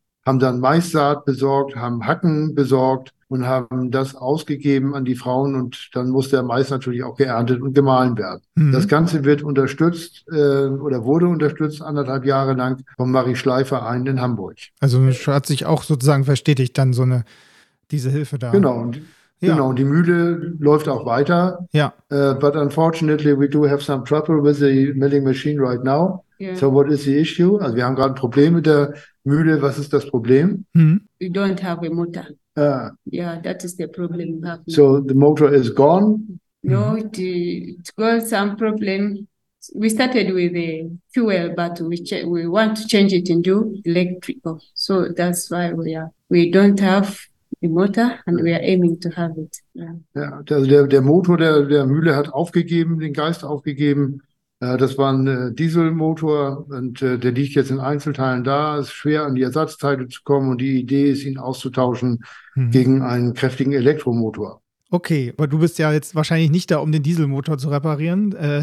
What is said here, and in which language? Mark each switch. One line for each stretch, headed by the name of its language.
German: Haben dann Maissaat besorgt, haben Hacken besorgt und haben das ausgegeben an die Frauen und dann muss der Mais natürlich auch geerntet und gemahlen werden. Das Ganze wird unterstützt oder wurde unterstützt anderthalb Jahre lang vom Marie Schleiferein in Hamburg. Also hat sich auch sozusagen verstetigt dann so eine diese Hilfe da. Genau. Und genau, und die Mühle läuft auch weiter. Ja.
English: But unfortunately, we do have some trouble with the milling machine right now. Yeah. So what is the issue?
German: Also wir haben gerade ein Problem mit der Mühle. Was ist das Problem?
English: We don't have a motor. Yeah, that is the problem. So the motor is gone? No, it got some problem. We started with the fuel, but we want to change it into electrical. So that's why we don't have the motor and we are aiming to have it.
German: Ja, also der Motor der Mühle hat aufgegeben, den Geist aufgegeben. Das war ein Dieselmotor und der liegt jetzt in Einzelteilen da. Es ist schwer, an die Ersatzteile zu kommen und die Idee ist, ihn auszutauschen gegen einen kräftigen Elektromotor. Okay, aber du bist ja jetzt wahrscheinlich nicht da, um den Dieselmotor zu reparieren.